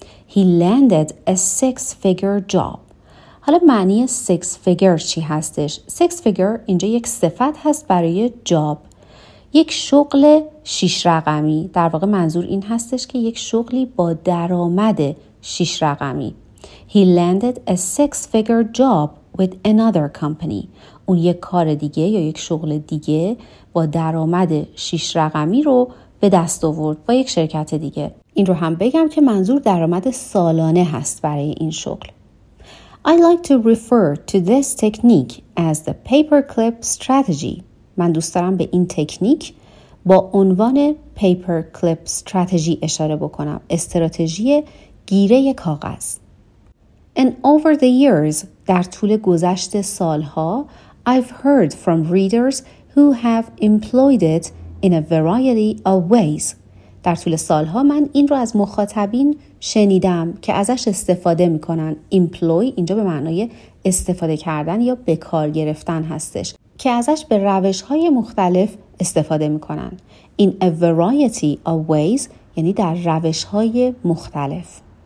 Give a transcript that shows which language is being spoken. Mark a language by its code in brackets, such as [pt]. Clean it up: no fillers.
[en] He landed a six-figure job. [fa] حالا معنی six-figure چی هستش؟ Six-figure اینجا یک صفت هست برای job. یک شغل شیش رقمی. در واقع منظور این هستش که یک شغلی با درآمد شیش رقمی. [en] He landed a six-figure job with another company. [fa] اون یک کار دیگه یا یک شغل دیگه با درآمد شیش رقمی رو به دست آورد با یک شرکت دیگه. این رو هم بگم که منظور درآمد سالانه هست برای این شغل. [en] I like to refer to this technique as the paperclip strategy. [fa] من دوست دارم به این تکنیک با عنوان پیپر کلیپ استراتژی اشاره بکنم. استراتژی گیره کاغذ. [en] And over the years, [fa] در طول گذشت سالها, [en] I've heard from readers who have employed it in a variety of ways. [fa] در طول سالها من این رو از مخاطبین شنیدم که ازش استفاده میکنن. Employ اینجا به معنای استفاده کردن یا به کار گرفتن هستش. که ازش به روش‌های مختلف استفاده می‌کنن. [en] In a variety of ways [fa] یعنی در روش‌های مختلف.